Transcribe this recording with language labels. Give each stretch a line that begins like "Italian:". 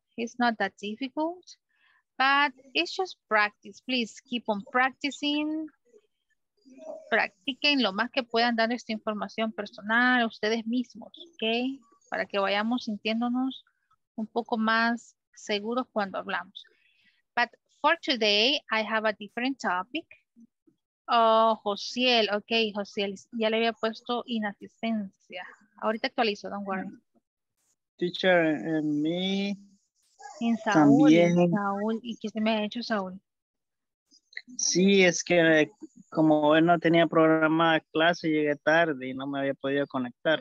English: It's not that difficult, but it's just practice. Please keep on practicing.
Spanish: Practiquen lo más que puedan dando esta información personal ustedes mismos, ¿ok? Para que vayamos sintiéndonos un poco más seguros cuando hablamos.
English: But for today, I have a different topic.
Spanish: Oh, Josiel, ok, Josiel, ya le había puesto inasistencia. Ahorita actualizo,
English: don't worry.
Spanish: Teacher, en mí. En Saúl, también. En Saúl, ¿y qué se me ha hecho Saúl? Sí, es que como él no tenía programada clase, llegué tarde y no me había podido conectar.